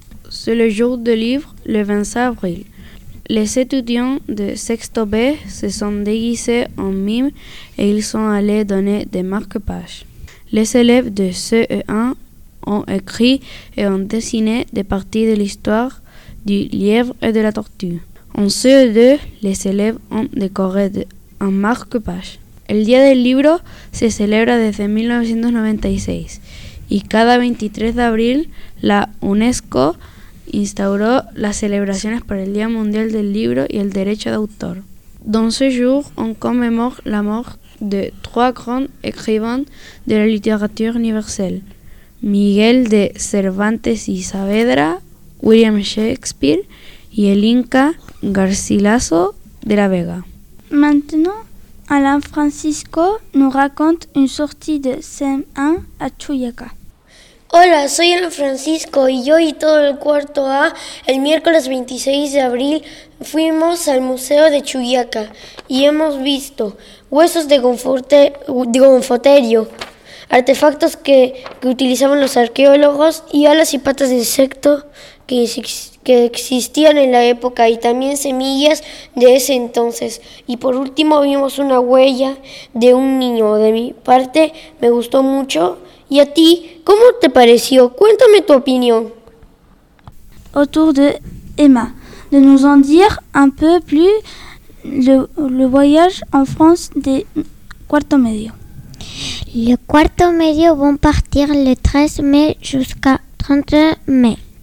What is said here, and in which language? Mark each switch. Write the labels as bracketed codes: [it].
[fr] C'est le jour du livre, le 25 avril. Les étudiants de Sexto B se sont déguisés en mimes et ils sont allés donner des marque-pages. Les élèves de CE1 ont écrit et ont dessiné des parties de l'histoire du lièvre et de la tortue. En CE2, les élèves ont décoré un marque-page. [es] El Día del Libro se celebra desde 1996 y cada 23 de abril la UNESCO instauró las celebraciones por el Día Mundial del Libro y el Derecho de Autor. [fr] Dans ce jour, on commémore la mort de trois grands écrivains de la littérature universelle: Miguel de Cervantes y Saavedra, William Shakespeare y el Inca Garcilaso de la Vega. Maintenant, Alain Francisco nous raconte une sortie de CM1 à Chuyaca. [es] Hola, soy Alain Francisco y yo y todo el cuarto A, el miércoles 26 de abril, fuimos al Museo de Chuyaca y hemos visto huesos de gonfoterio, artefactos que utilizaban los arqueólogos y alas y patas de insecto que existían en la época y también semillas de ese entonces. Y por último vimos una huella de un niño. De mi parte me gustó mucho. ¿Y a ti cómo te pareció? Cuéntame tu opinión. [fr] Autour de Emma, de nous en dire un peu plus le voyage en France de cuarto medio. Le cuarto medio vont partir le 13 mai jusqu'à 31 mai.